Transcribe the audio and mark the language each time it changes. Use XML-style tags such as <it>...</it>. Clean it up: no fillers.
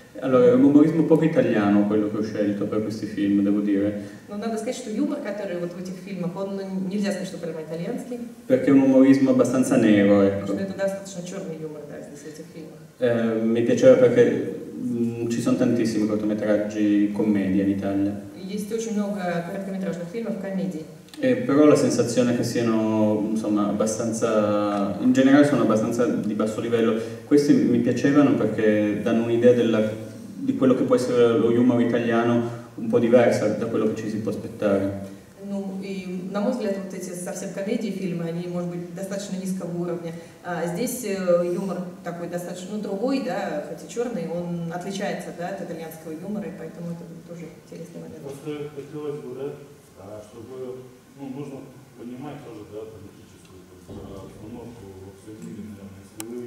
<it>Allora, è un umorismo poco italiano quello che ho scelto per questi film, devo dire. Non devo dire che l'humor che è in questi film, non si può dire che è prima italiano. Perché è un umorismo abbastanza nero, ecco. Perché è abbastanza nero il humor da questi film. Mi piaceva perché ci sono tantissimi cortometraggi commedia in Italia.</it> <ru>Есть очень много короткометражных фильмов комедий.</ru> <it>Però la sensazione che siano insomma abbastanza in generale sono abbastanza di basso livello. Questi mi piacevano perché danno un'idea della di quello che può essere lo humor italiano un po' diversa da quello che ci si può aspettare.</it> <ru>Ну и на мой взгляд вот эти совсем комедии фильмы они может быть достаточно низкого уровня. А здесь юмор такой достаточно другой, да, хоть и черный, он отличается, да, от итальянского юмора, и поэтому это тоже интересный момент. Просто хотелось бы, да, чтобы, ну, нужно понимать тоже, да, политическую обстановку во всем мире, наверное.</ru>